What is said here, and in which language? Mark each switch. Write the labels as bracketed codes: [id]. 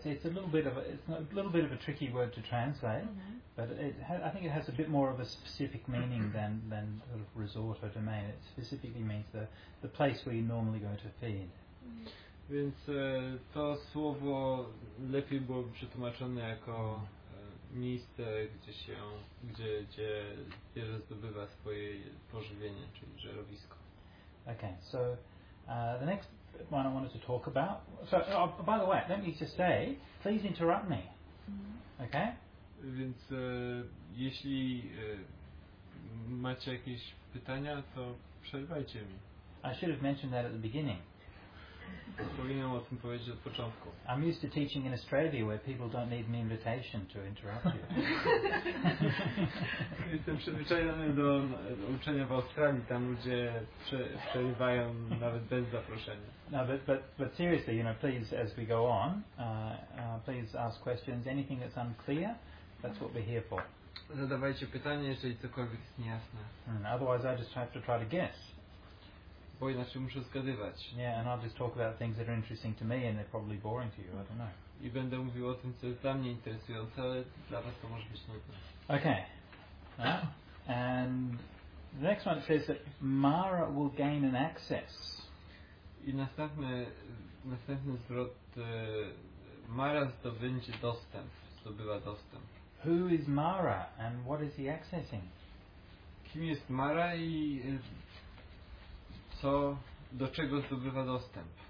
[en] It's a little bit of a tricky word to translate, but I think it has a bit more of a specific meaning than sort of resort or domain. It specifically means the place where you normally go to feed. [pl] Więc to słowo lepiej było przetłumaczone jako miejsce, gdzie zwierzę zdobywa swoje pożywienie, czyli żerowisko. [en] Okay, so the next one I wanted to talk about. So, oh, by the way, let me just say, please interrupt me. Okay? [pl] Więc jeśli macie jakieś pytania, to przerwajcie mi. [en] I should have mentioned that at the beginning. [pl] Powinienem o tym powiedzieć od początku. [en] I'm used to teaching in Australia where people don't need an invitation to interrupt you. [pl] Jestem przyzwyczajony do uczenia w Australii, tam ludzie przerywają nawet bez zaproszenia. [en] No, but seriously, you know, please, as we go on, please ask questions. Anything that's unclear, that's what we're here for. [pl] Zadawajcie pytania, jeżeli cokolwiek jest niejasne. [en] Otherwise, I just have to try to guess. [pl] Bo inaczej muszę zgadywać. [en] Yeah, and I'll just talk about things that are interesting to me, and they're probably boring to you. I don't know. [pl] I będę mówił o tym, co jest dla mnie interesujące, ale dla was to może być nudne. [en] Okay. And the next one says that Mara will gain an access. [pl] I następny zwrot. Mara zdobędzie dostęp. Zdobyła dostęp. [en] Who is Mara and what is he accessing? [pl] Kim jest Mara i co, do czego zdobywa dostęp?